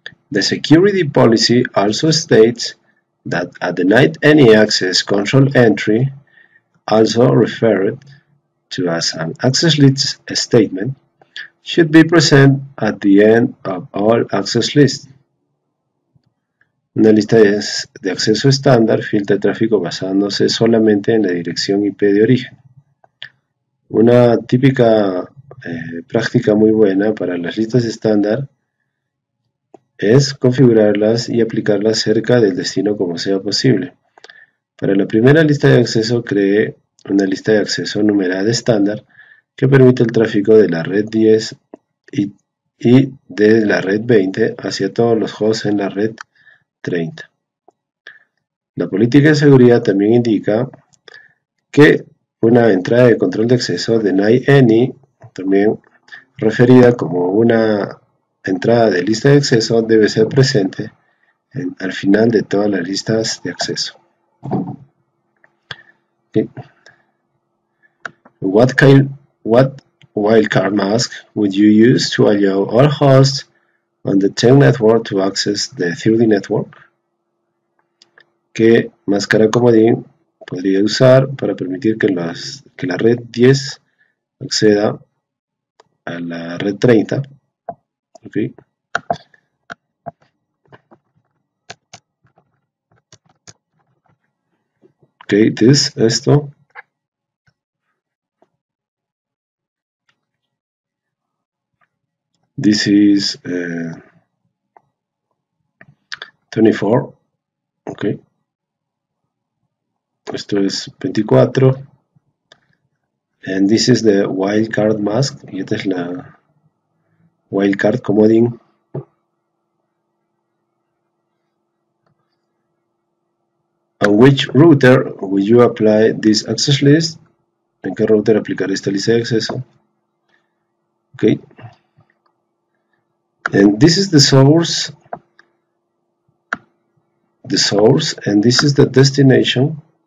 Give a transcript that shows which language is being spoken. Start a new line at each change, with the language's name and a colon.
English: The security policy also states that a denied any access control entry, also referred to as an access list statement, should be present at the end of all access lists.
Spanish: Una lista de acceso estándar filtra el tráfico basándose solamente en la dirección IP de origen. Una típica práctica muy buena para las listas estándar es configurarlas y aplicarlas cerca del destino como sea posible. Para la primera lista de acceso, cree una lista de acceso numerada estándar que permite el tráfico de la red 10 y de la red 20 hacia todos los hosts en la red 30. La política de seguridad también indica que una entrada de control de acceso deny any, también referida como una entrada de lista de acceso, debe ser presente al final de todas las listas de acceso.
English: Okay. What wildcard mask would you use to allow all hosts on the 10 network to access the 30 network?
Spanish: ¿Qué máscara comodín podría usar para permitir que la red 10 acceda a la red 30?
English: Okay.
Spanish: Okay, esto.
English: This is 24. Okay.
Spanish: Esto es 24.
English: And this is the wildcard mask.
Spanish: Y esta es la wildcard comodín.
English: On which router will you apply this access list?
Spanish: ¿En qué router aplicar esta lista de acceso?
English: Okay. And this is the source, and this is the destination.